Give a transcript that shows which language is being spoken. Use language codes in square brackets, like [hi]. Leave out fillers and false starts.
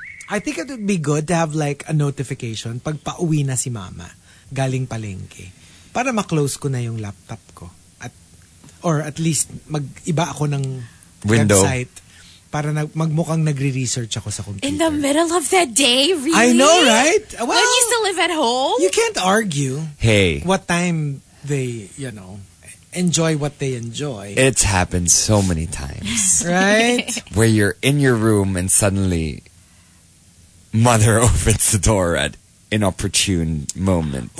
[en] I think it would be good to have like a notification [tl] pag pauwi na si mama galing palengke. Para ma-close ko na yung laptop ko. [en] Or at least [tl] mag-iba ako ng [en] window. [tl] Website. Para magmukhang nagre-research ako sa computer. [en] In the middle of the day, really? I know, right? Well, when you still live at home? You can't argue. Hey. What time they, you know, enjoy what they enjoy. It's happened so many times. Right? Where you're in your room and suddenly mother opens the door at inopportune moments.